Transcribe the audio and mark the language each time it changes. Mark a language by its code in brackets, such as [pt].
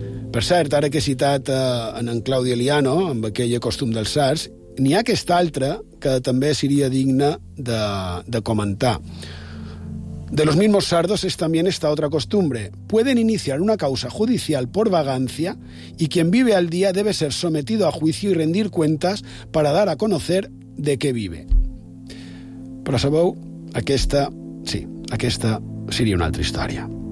[ca] Per cert, ara que he citat en Claudio Eliano, amb aquell costum dels sards, n'hi ha aquesta altra que també seria digna de comentar. [es] De los mismos sardos es también esta otra costumbre. Pueden iniciar una causa judicial por vagancia y quien vive al día debe ser sometido a juicio y rendir cuentas para dar a conocer de qué vive. [ca] Però sabeu, aquesta, sí, aquesta seria una altra història.